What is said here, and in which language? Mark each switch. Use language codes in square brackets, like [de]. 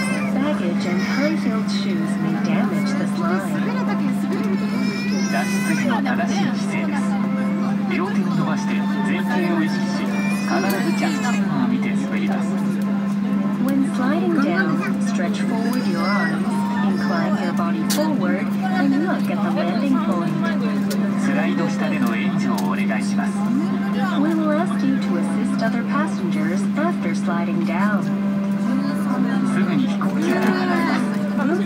[en] Baggage and high-heeled shoes may damage this line. [ja] 脱出時の正しい姿勢です。両手を伸ばして前傾を意識し、必ず着地点を見て滑ります。 [en] When sliding down, stretch forward your arms, incline your body forward, and look at the landing point. [ja] スライド下での援助をお願いします。 [en] We will ask you to assist other passengers after sliding down. [ja] すぐに飛行機から離れます。